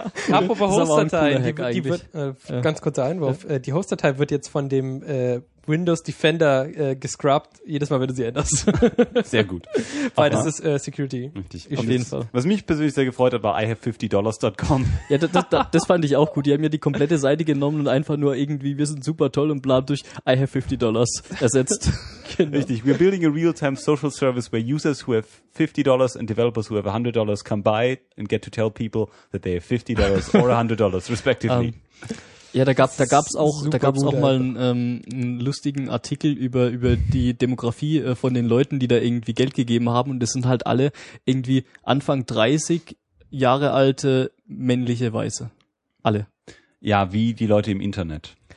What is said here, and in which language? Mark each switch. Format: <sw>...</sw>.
<de>Apropos Host-Datei, die wird, ganz kurzer Einwurf, die Host-Datei wird jetzt von dem Windows Defender gescrubbt, jedes Mal, wenn du sie änderst. Sehr gut. Weil das ist Security. Richtig. Auf jeden Fall. Was mich persönlich sehr gefreut hat, war ihave50dollars.com. Ja, das fand ich auch gut. Die haben ja die komplette Seite genommen und einfach nur irgendwie, wir sind super toll und bla durch ihave50dollars ersetzt. Genau. Richtig.</de> <en>We're building a real-time social service where users who have $50 and developers who have $100 come by and get to tell people that they have $50 or $100 respectively.</en> <de>Ja, da gab's auch mal einen lustigen Artikel über die Demografie von den Leuten, die da irgendwie Geld gegeben haben. Und das sind halt alle irgendwie Anfang 30 Jahre alte männliche Weiße. Alle. Ja, wie die Leute im Internet.</de>